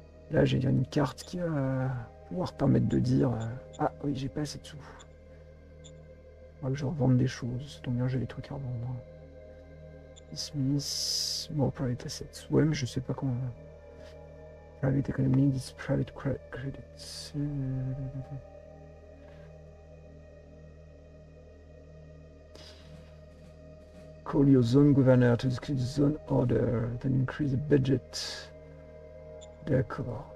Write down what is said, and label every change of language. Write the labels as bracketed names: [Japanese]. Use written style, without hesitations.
[French] Là j'ai une carte qui va pouvoir permettre de dire. Ah oui, j'ai pas assez de sous. Voilà, je revends des choses, c'est tant bien, j'ai des trucs à revendre. [English] Smith, more private assets. [French] Ouais, mais je sais pas comment. [English] Private economy, this private credit. Call your zone governor to discuss zone order, then increase the budget. [French] D'accord.